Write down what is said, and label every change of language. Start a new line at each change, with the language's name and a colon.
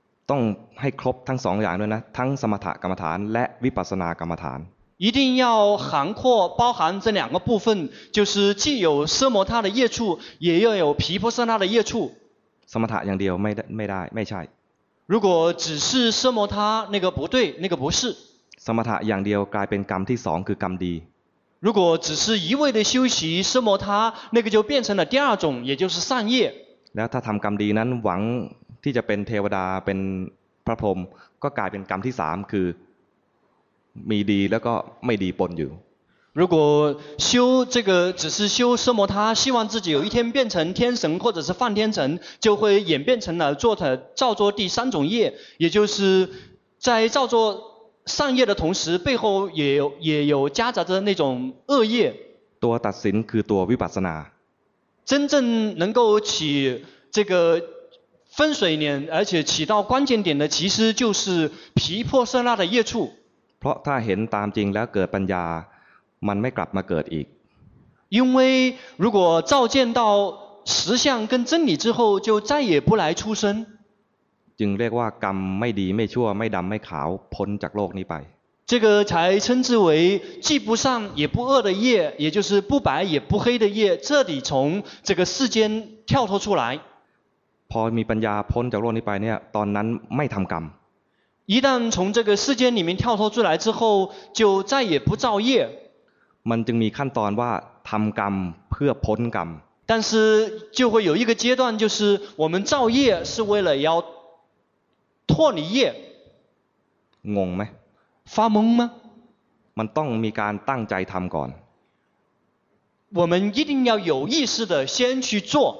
Thai: ต้องให้ครบทั้งสองอย่างด้วยนะทั้งสมถกรรมฐานและวิปัสสนากรรมฐาน
Chinese: 一定要涵括包含这两个部分就是既有奢摩他的业处也要有毗婆舍那的业处
Thai: สมถะอย่างเดียวไม่ได้ไม่ใช่
Chinese: 如果只是奢摩他那个不对那个不是
Thai: สมถะอย่างเดียวกลายเป็นกรรมที่สองคือกรรมดี
Chinese: 如果只是一味的修习奢摩他那个就变成了第二种也就是善业
Thai: แล้วถ้าทำกรรมดีนั้นหวังที่จะเป็นเทวดาเป็น พระพรหมก็กลายเป็นกรรมที่3คือมีดีแล้วก็ไม่ดีปนอยู่
Chinese: 如果修这个只是修奢摩他希望自己有一天变成天神或者是梵天神就会演变成了做的造作第三种业也就是在造作善业的同时背后 也有夹杂着那种恶业
Thai: ตัวตัดสินคือตัววิปัสสนา
Chinese: 真正能够起这个分水岭而且起到关键点的其实就是毗婆舍那的业处
Thai: เพราะถ้าเห็นตามจริงแล้วเกิดปัญญามันไม่กลับมาเกิดอีก
Chinese: 因为如果照见到实相跟真理之后就再也不来出生
Thai: จึงเรียกว่ากรรมไม่ดีไม่ชั่วไม่ดำไม่ขาวพ้นจากโลกนี้ไป
Chinese: 这个才称之为既不善也不恶的业也就是不白也不黑的业彻底从这个世间跳脱出来
Thai: พอมีปัญญาพ้นจากโลกนี้ไปเนี่ยตอนนั้นไม่ทำกรรม
Chinese: 一旦从这个世间里面跳脱出来之后就再也不造业
Thai: มันจึงมีขั้นตอนว่าทำกรรมเพื่อพ้นกรรม
Chinese: 但是就会有一个阶段就是我们造业是为了要脱离业
Thai: งงไหม
Chinese: 发懵吗
Thai: มันต้องมีการตั้งใจทำก่อน
Chinese: 我们一定要有意识的先去做